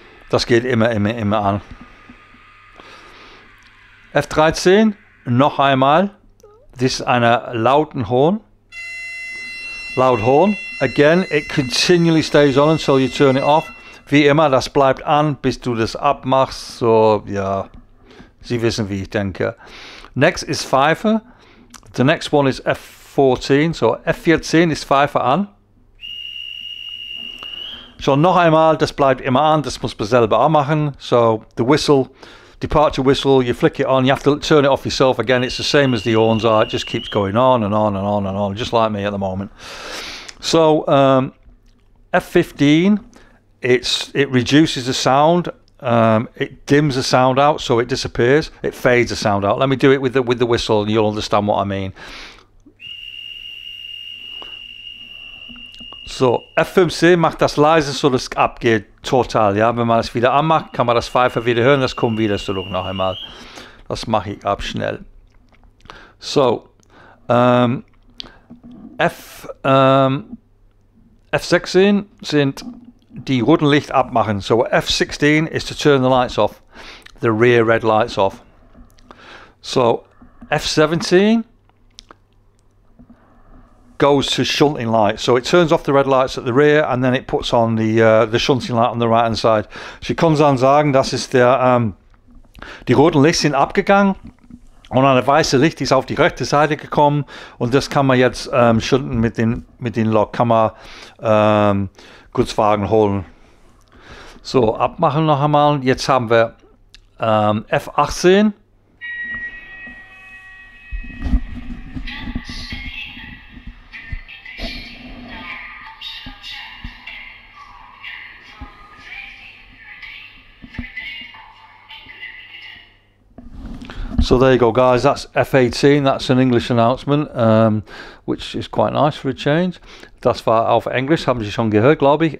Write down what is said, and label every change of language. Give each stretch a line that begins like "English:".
German: Das geht immer an. F13, noch einmal.
English: This is
German: eine lauten Horn.
English: Loud Horn. Again, it continually stays on until you turn it off.
German: Wie immer, das bleibt an, bis du das abmachst. So, ja. Sie wissen, wie ich denke.
English: Next is
German: Pfeife.
English: The next one is F14, so F14
German: ist Pfeife an. So noch einmal, das bleibt immer an, das muss man selber auch machen.
English: So the whistle, departure whistle, you flick it on, you have to turn it off yourself again. It's the same as the horns are, it just keeps going on and on and on and on, just like me at the moment. So F15, it reduces the sound, it dims the sound out, so it disappears, it fades the sound out. Let me do it with the whistle and you'll understand what I mean.
German: So, F15 macht das leise, so das abgeht total, ja. Wenn man es wieder anmacht, kann man das Pfeifen wieder hören, das kommt wieder zurück noch einmal. Das mache ich ab schnell. So, F16 sind die roten Licht abmachen.
English: So, F16 is to turn the lights off, the rear red lights off. So, F17... goes to shunting light. So it turns off the red lights at the rear and then it puts on the shunting light on the right hand side.
German: Sie können dann sagen, das ist der, die roten Licht sind abgegangen und eine weiße Licht ist auf die rechte Seite gekommen und das kann man jetzt shunten mit den Lok, kann man Kurzwagen holen. So, abmachen noch einmal. Jetzt haben wir F18.
English: So there you go, guys, that's F18, that's an English announcement, which is quite nice for a change.
German: Das war auf Englisch, haben Sie schon gehört, glaube ich.